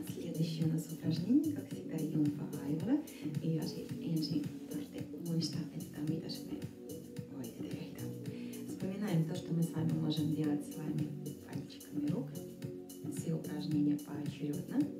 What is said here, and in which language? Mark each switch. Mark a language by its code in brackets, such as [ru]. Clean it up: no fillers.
[ru] Следующее у нас упражнение, как всегда, Юнфа Айвара. И я здесь [fi] ensin tarvitsen muistaa, että mitä me voimme tehdä. [ru] Вспоминаем то, что мы с вами можем делать с вами пальчиками рук. Все упражнения поочередно.